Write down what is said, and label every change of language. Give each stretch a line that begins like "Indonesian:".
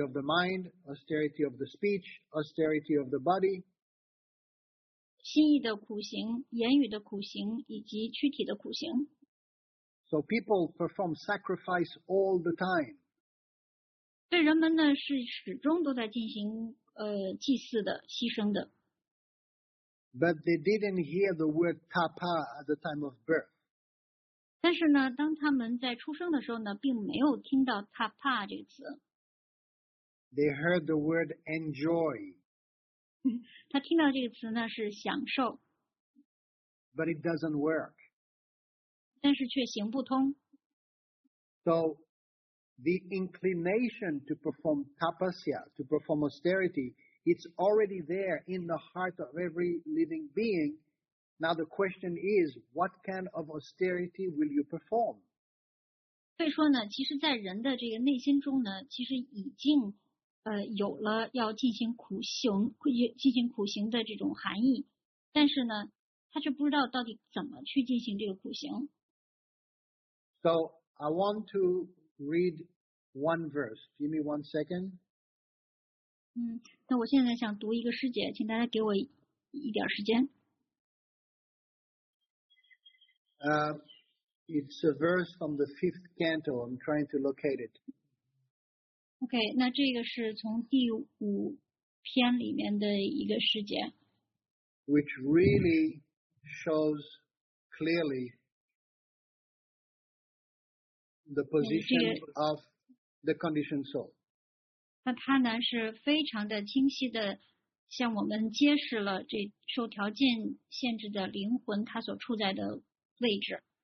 English: of the mind, austerity of the speech, austerity of the body.
Chinese: 心意的苦行，言语的苦行，以及躯体的苦行。
English: So people perform sacrifice all the time.
Chinese: 对人们呢，是始终都在进行祭祀的、牺牲的。
English: But they didn't hear the word tapa at the time of birth.
Chinese: 但是呢，当他们在出生的时候呢，并没有听到tapa这个词。
English: They heard the word enjoy.
Chinese: 他听到这个词呢是享受。
English: But it doesn't work.
Chinese: 但是却行不通。
English: So, the inclination to perform tapasya, to perform austerity, it's already there in the heart of every living being. Now the question is, what kind of austerity will you perform?
Chinese: 所以说呢，其实在人的这个内心中呢，其实已经有了要进行苦行的这种含义，但是呢，他却不知道到底怎么去进行这个苦行。
English: So I want to read one verse. Give me one second.
Chinese: 那我现在想读一个诗节，请大家给我一点时间。
English: It's a verse from the fifth canto. I'm trying to locate it.
Chinese: Okay, 那这个是从第五篇里面的一个诗节。
English: Which really shows clearly the position of the conditioned soul.
Chinese: 那它呢是非常的清晰的向我们揭示了这受条件限制的灵魂它所处在的位置。